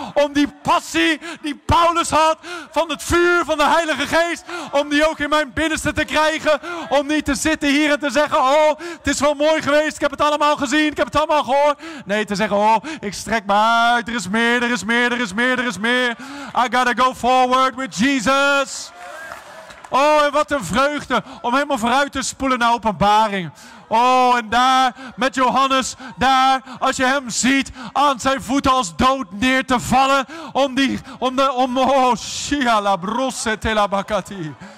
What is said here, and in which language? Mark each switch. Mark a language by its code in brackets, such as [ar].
[nl] Om die passie die Paulus had van het vuur van de Heilige Geest, om die ook in mijn binnenste te krijgen, om niet te zitten hier en te zeggen, oh, het is wel mooi geweest, ik heb het allemaal gezien, ik heb het allemaal gehoord. Nee, te zeggen, oh, ik strek me uit, er is meer. [en] I gotta go forward with Jesus. [nl] Oh, en wat een vreugde om helemaal vooruit te spoelen naar Openbaring. Oh, en daar met Johannes, daar als je hem ziet aan zijn voeten als dood neer te vallen. Shia la brosse telabakati.